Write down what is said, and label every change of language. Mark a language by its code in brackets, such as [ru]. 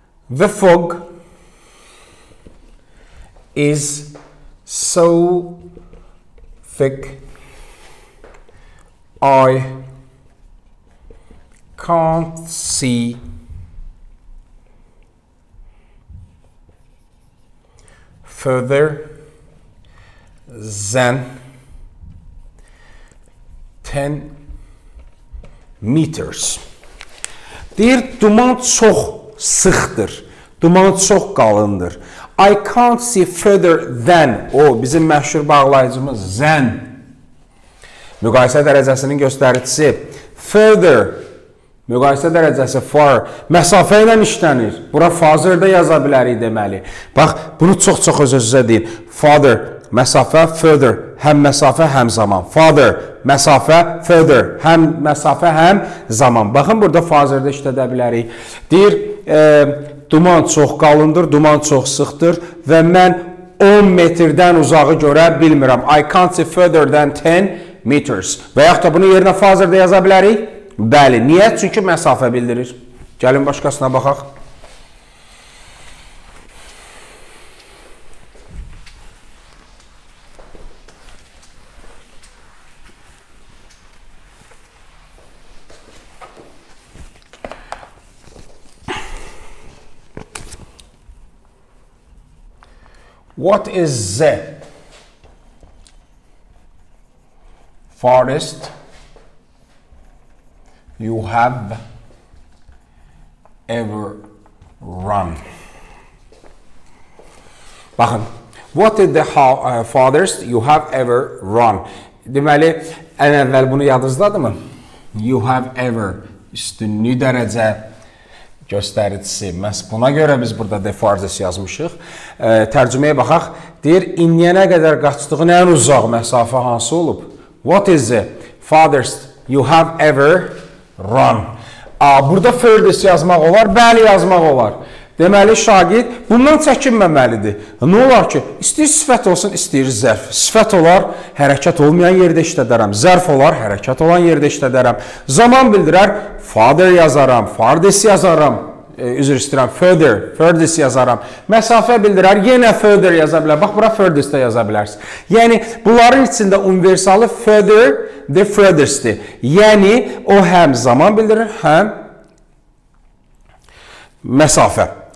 [en] The fog is so thick I can't see further than 10 meters. [az] Deyir, duman çox sıxdır, duman çox qalındır. [en] I can't see further than, [az] o bizim məşhur bağlayıcımız than, müqayisə dərəcəsinin göstəricisi, further, müqayisə dərəcəsi far, məsafə ilə işlənir, bura father də yaza bilərik deməli. Bax, bunu çox-çox öz-özüzə deyin, father, məsafə, further, həm məsafə, həm zaman, father, məsafə, further, həm məsafə, həm zaman. Baxın, burada father də işlədə bilərik, deyir, duman çox qalındır, duman çox sıxdır və mən 10 metrdən uzağı görə bilmirəm. [en] I can't see further than 10 meters. [az] Və yaxud da bunu yerinə father də yaza bilərik? Bəli. Niyə? Çünki məsafə bildirir. Gəlin başqasına baxaq. [en] What is the farthest you have ever run? [az] Bakın, [en] what is the farthest you have ever run? [az] Demeli, en evvel bunu yadırızladı mı? [en] You have ever, [az] üstünlü dərəcə göstəricisi. Məhz buna görə biz burada the farthest yazmışıq. Tərcüməyə baxaq. Deyir, indiyənə qədər qaçdığın ən uzaq məsafə hansı olub? [en] What is the farthest you have ever run? [az] Burada furthest yazmaq olar, bəli yazmaq olar. Deməli, şagird bundan çəkinməməlidir. Nə olar ki, istəyir sifət olsun, istəyir zərf. Sifət olar, hərəkət olmayan yerdə işlədərəm. Zərf olar, hərəkət olan yerdə işlədərəm. Zaman bildirər, father yazaram, farthest yazaram. Üzr istəyirəm, further, furthest yazaram. Məsafə bildirər, yenə further yaza bilər. Bax, bura furthest də yaza bilərsiniz. Yəni, bunların içində universalı further the furthestdir. Yəni, o həm zaman bildirir, həm məsafə.